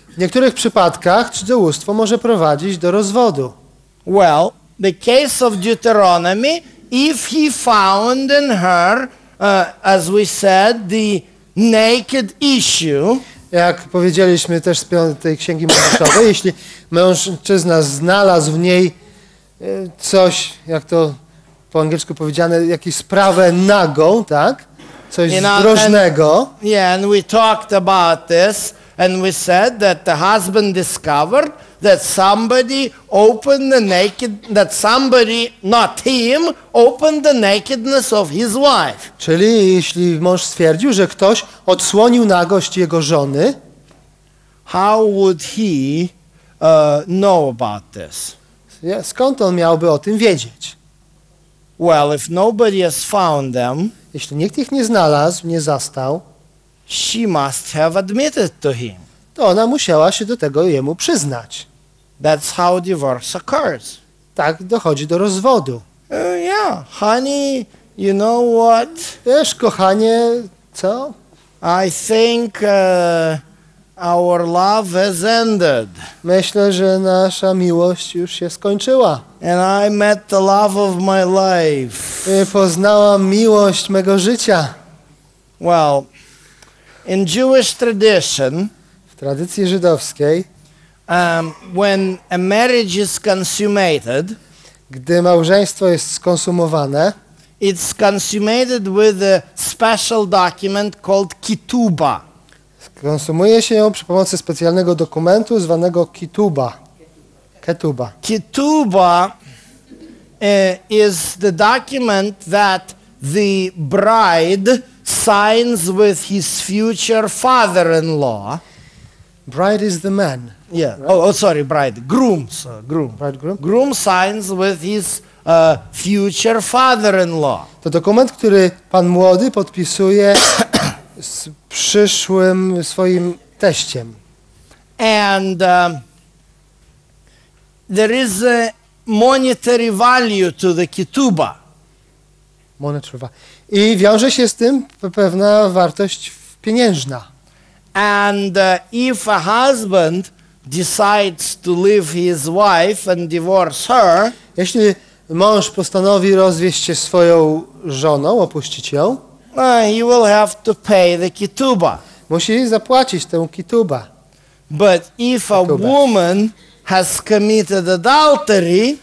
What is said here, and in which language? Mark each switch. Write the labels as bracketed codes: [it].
[pl] W niektórych przypadkach cudzołóstwo może prowadzić do rozwodu. [en] Well, the case of Deuteronomy, if he found in her, as we said, the naked issue. [pl] Jak powiedzieliśmy też z tej księgi Mojżeszowej, jeśli mężczyzna znalazł w niej coś, jak to po angielsku powiedziane, jakąś sprawę nagą, tak? Coś zdrożnego. [en] Yeah, and we talked about this and we said that the husband discovered that somebody opened the naked, that somebody, not him, opened the nakedness of his wife. [pl] Czyli jeśli mąż stwierdził, że ktoś odsłonił nagość jego żony, [en] how would he know about this? [pl] Skąd on miałby o tym wiedzieć? [en] Well, if nobody has found them, [pl] jeśli nikt ich nie znalazł, nie zastał, [en] she must have admitted to him. [pl] To ona musiała się do tego jemu przyznać. [en] That's how divorce occurs. [pl] Tak dochodzi do rozwodu. [en] Yeah, honey, you know what? [pl] Wiesz, kochanie, co? [en] I think our love has ended. [pl] Myślę, że nasza miłość już się skończyła. [en] And I met the love of my life. [pl] I poznałam miłość mego życia. [en] Well, in Jewish tradition, [pl] w tradycji żydowskiej, [en] When a marriage is consummated, [pl] gdy małżeństwo jest skonsumowane, [en] it's consummated with a special document called kituba. [pl] Skonsumuje się ją przy pomocy specjalnego dokumentu zwanego kituba. [en] Ketuba. Kituba is the document that the bride signs with his future father-in-law. Bride is the man. Yeah. Right. Oh, sorry, bride. Groom. Groom. Bride, groom. Groom signs with his future father-in-law. [pl] To dokument, który pan młody podpisuje z przyszłym swoim teściem. [en] And there is a monetary value to the kituba. Monetary value. [pl] I wiąże się z tym pewna wartość pieniężna. [en] And if a husband decides to leave his wife and divorce her. [pl] Jeśli mąż postanowi rozwieść się swoją żoną, opuścić ją, [en] he will have to pay the kituba. [pl] Musi zapłacić tę kituba. [en] But if a woman has committed adultery,